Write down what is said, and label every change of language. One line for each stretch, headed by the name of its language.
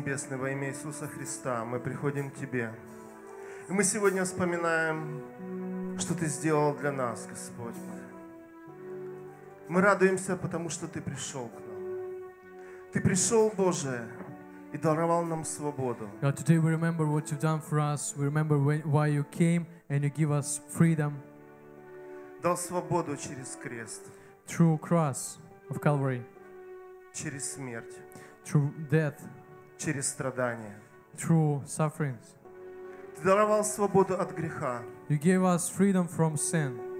Russian: Во имя Иисуса Христа мы приходим к Тебе. И мы сегодня вспоминаем, что Ты сделал для нас, Господь мой. Мы радуемся, потому что Ты пришел к нам. Ты пришел, Боже, и даровал нам свободу.
English: God, today we remember what You've done for us. We remember why You came and You give us freedom.
Russian: Дал свободу через крест.
English: Through cross of Calvary.
Russian: Через смерть.
English: Through death.
Russian: Через страдания.
English: Through sufferings.
Russian: Ты даровал свободу от греха.
English: You gave us freedom from sin.